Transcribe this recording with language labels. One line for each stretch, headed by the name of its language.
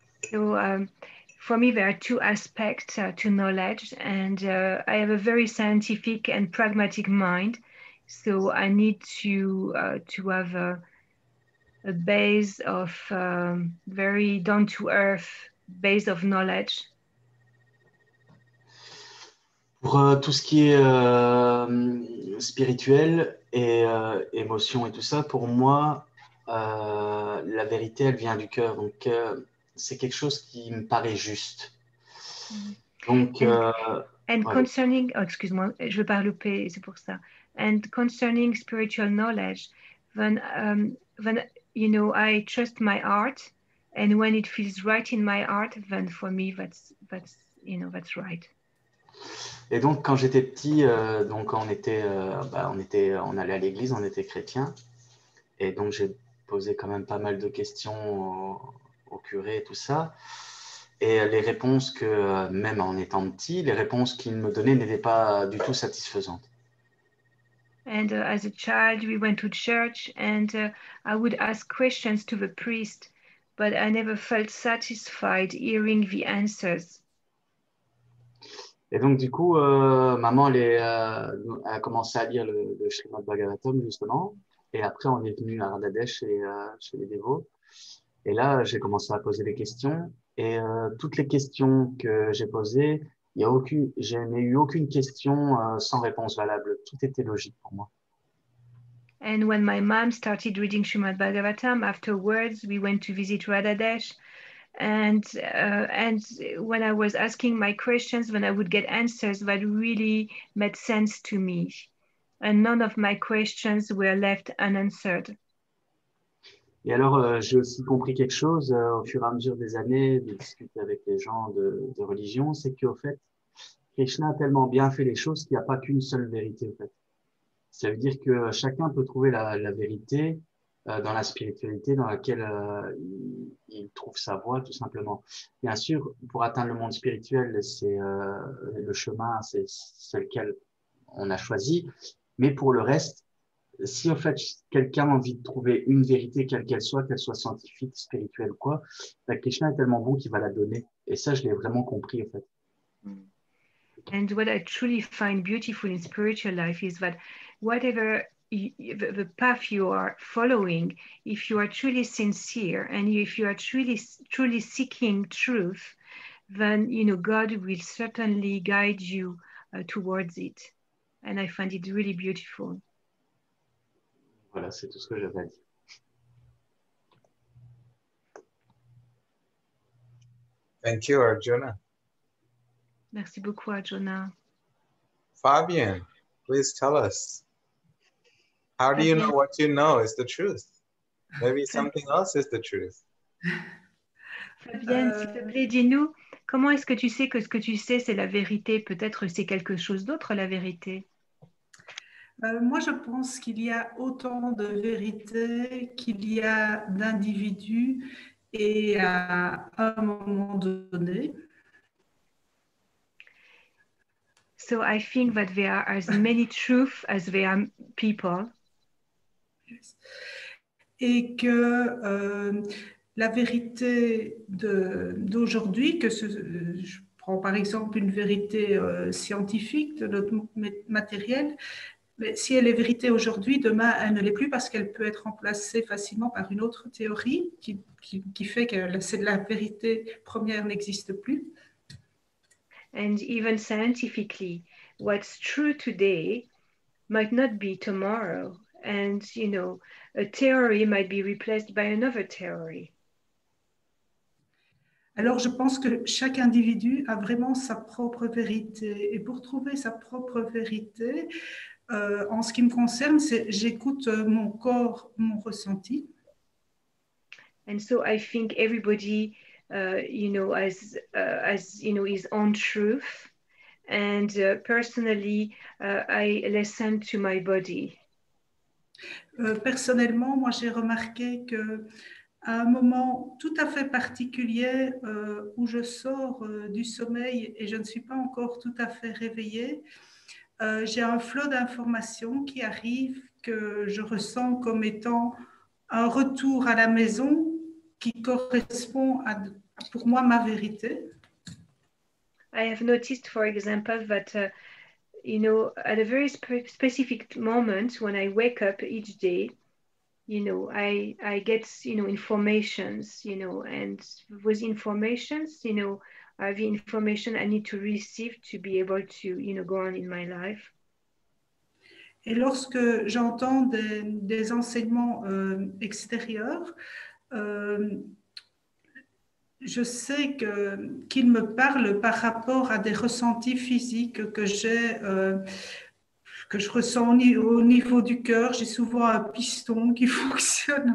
English: So, for me, there are two aspects to knowledge, and I have a very scientific and pragmatic mind. So I need to have a base of very down to earth base of knowledge.
French: Pour tout ce qui est spirituel et émotion et tout ça, pour moi, la vérité, elle vient du cœur. Donc, c'est quelque chose qui me paraît juste. Donc,
English: concerning, oh,
French: excuse-moi, je veux pas louper, c'est pour ça.
English: And concerning spiritual knowledge, when you know, I trust my heart, and when it feels right in my heart, then for me, that's right.
French: Et donc, quand j'étais petit, donc on était, on allait à l'église, on était chrétien, et donc j'ai posé quand même pas mal de questions au curé et tout ça. Et les réponses que, même en étant petit, les réponses qu'il me donnait n'étaient pas du tout satisfaisantes.
English: And as a child, we went to church and I would ask questions to the priest, but I never felt satisfied hearing the answers.
French: Et donc, du coup, maman a commencé à lire le Srimad Bhagavatam, justement. Et après, on est venu à Radha Desh et chez les dévots. Et là, j'ai commencé à poser des questions. Et toutes les questions que j'ai posées, je n'ai eu aucune question sans réponse valable. Tout était logique pour moi.
English: And when my mom started reading Srimad Bhagavatam, afterwards, we went to visit Radha Desh. And when I was asking my questions, when I would get answers that really made sense to me. And none of my questions were left unanswered.
French: Et alors, j'ai aussi compris quelque chose au fur et à mesure des années de discuter avec les gens de religion, c'est qu'au fait, Krishna a tellement bien fait les choses qu'il n'y a pas qu'une seule vérité, au fait. Ça veut dire que chacun peut trouver la vérité dans la spiritualité dans laquelle il trouve sa voie, tout simplement. Bien sûr, pour atteindre le monde spirituel, c'est le chemin, c'est lequel on a choisi, mais pour le reste, si en fait quelqu'un a envie de trouver une vérité, quelle qu'elle soit scientifique, spirituelle, quoi, la Krishna est tellement bon qu'il va la donner. Et ça, je l'ai vraiment compris, en fait.
English: And what I truly find beautiful in spiritual life is that whatever the path you are following, if you are truly sincere and if you are truly, truly seeking truth, then, you know, God will certainly guide you towards it. And I find it really beautiful.
French: Voilà, c'est tout ce que j'avais à dire.
English: Thank you, Arjuna.
French: Merci beaucoup, Arjuna.
English: Fabien, please tell us. How do you know what you know is the truth? Maybe something else is the truth.
French: Fabien, s'il te plaît, dis-nous, comment est-ce que tu sais que ce que tu sais, c'est la vérité? Peut-être c'est quelque chose d'autre, la vérité? Moi, je pense qu'il y a autant de vérités qu'il y a d'individus et à un moment donné.
English: So I think that there are as many truths as there are people. Yes.
French: Et que la vérité d'aujourd'hui, je prends par exemple une vérité scientifique de notre matériel. Mais si elle est vérité aujourd'hui, demain, elle ne l'est plus parce qu'elle peut être remplacée facilement par une autre théorie qui fait que la vérité première n'existe plus.
English: And even scientifically, what's true today might not be tomorrow. And, you know, a theory might be replaced by another theory.
French: Alors, je pense que chaque individu a vraiment sa propre vérité. Et pour trouver sa propre vérité, en ce qui me concerne, c'est j'écoute mon corps, mon ressenti.
English: And so I think everybody as his own truth. And personally, I listen to my body.
French: Personnellement, moi, j'ai remarqué que à un moment tout à fait particulier où je sors du sommeil et je ne suis pas encore tout à fait réveillée, j'ai un flot d'informations qui arrive que je ressens comme étant un retour à la maison qui correspond à, pour moi, ma vérité.
English: I have noticed, for example, that at a very specific moment when I wake up each day, I get informations, and with informations, the information I need to receive to be able to go on in my life.
French: Et lorsque j'entends des enseignements extérieurs, je sais qu'ils me parlent par rapport à des ressentis physiques que j'ai. Que je ressens au niveau du cœur, j'ai souvent un piston qui fonctionne.